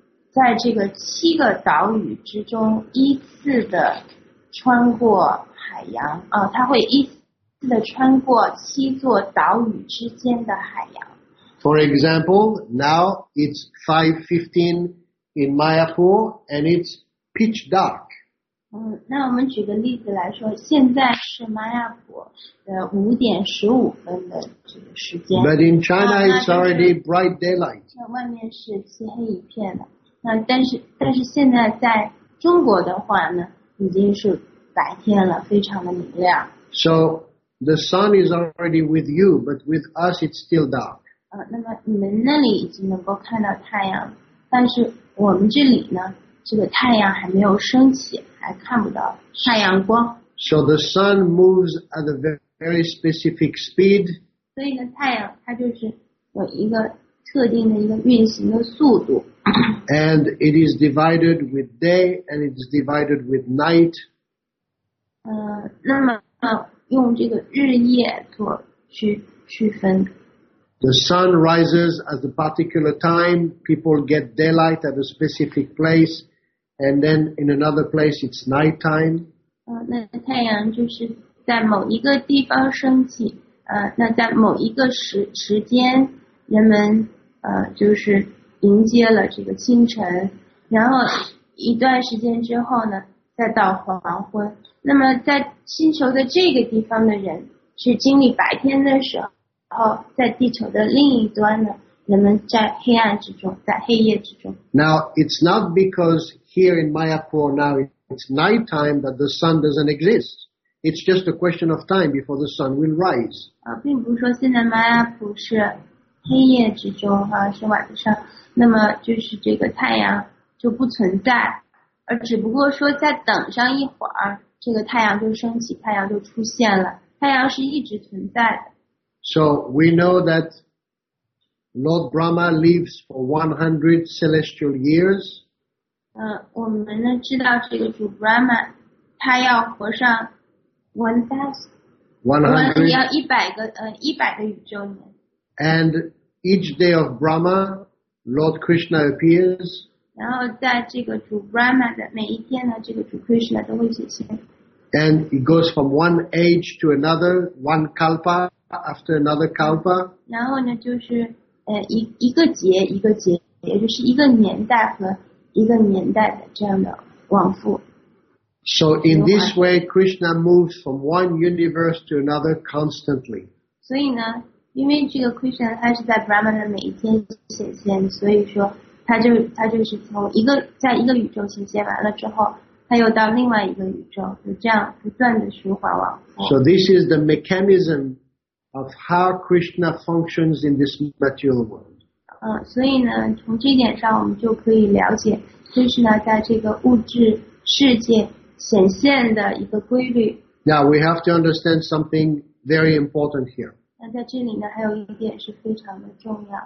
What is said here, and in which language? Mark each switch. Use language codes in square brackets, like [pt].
[zh] 在这个七个岛屿之中依次的穿过海洋啊，它会依次的穿过七座岛屿之间的海洋。 [en] For example, now it's 5:15 in Mayapur and it's pitch dark. [zh] 那我们举个例子来说，现在是马亚普的5:15的这个时间。 [en] But in China, it's already bright daylight. [zh] 外面是漆黑一片的。但是现在在中国的话呢，已经是白天了，非常的明亮。 [en] So the sun is already with you, but with us it's still dark. [zh] 那么你们那里已经能够看到太阳，但是我们这里呢，这个太阳还没有升起，还看不到太阳光。 [en] So the sun moves at a very specific speed. [zh] 所以呢，太阳它就是有一个特定的一个运行的速度。 [en] And it is divided with day, and it is divided with night. [zh] 那么用这个日夜做区分。 [en] The sun rises at a particular time. People get daylight at a specific place, and then in another place it's night time. [zh] 那太阳就是在某一个地方升起。那在某一个时间，人们就是。迎接了这个清晨，然后一段时间之后呢，再到黄昏。那么在星球的这个地方的人是经历白天的时候，在地球的另一端呢，人们在黑暗之中，在黑夜之中。 [en] Now it's not because here in Mayapur now it's night time that the sun doesn't exist. It's just a question of time before the sun will rise. [zh] 并不是说现在 Mayapur 是黑夜之中哈，是晚上。那么就是这个太阳就不存在，而只不过说再等上一会儿，这个太阳就升起，太阳就出现了，太阳是一直存在的。 [en] So we know that Lord Brahma lives for 100 celestial years. [zh] 我们呢知道这个主 Brahma 他要活上 100个宇宙年。 [en] And each day of Brahma. Lord Krishna appears. [zh] 然后在这个主 Brahma 的每一天呢，这个主 Krishna 都会显现。 [en] And he goes from one age to another, one kalpa after another kalpa. [zh] 然后呢，就是一个节，也就是一个年代和一个年代的这样的往复。 [en] So in this way, Krishna moves from one universe to another constantly. [zh] 所以呢。因为这个 Krishna 他是在 Brahma 的每一天显现，所以说他就是从一个在一个宇宙显现完了之后，他又到另外一个宇宙，就这样不断的循环往复。 [en] So this is the mechanism of how Krishna functions in this material world. [zh] 所以呢，从这点上我们就可以了解 Krishna 在这个物质世界显现的一个规律。 [en] Now we have to understand something very important here. [zh] 那在这里呢，还有一点是非常的重要。